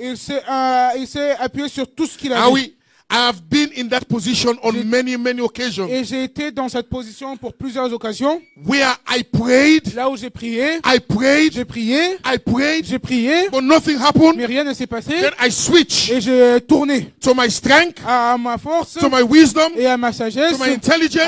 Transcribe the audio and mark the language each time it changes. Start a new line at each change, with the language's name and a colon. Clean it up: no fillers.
French: Il s'est appuyé sur tout ce qu'il a ah dit. Oui,
English: I have been in that position on many, many occasions.
French: Et j'ai été dans cette position pour plusieurs occasions.
English: Where I prayed.
French: Là où j'ai prié.
English: I prayed.
French: J'ai prié.
English: I prayed.
French: J'ai prié.
English: But nothing happened.
French: Mais rien ne s'est passé.
English: Then I switch.
French: Et j'ai tourné.
English: To my strength.
French: À ma force.
English: To my wisdom.
French: Et à ma sagesse.
English: To my intelligence.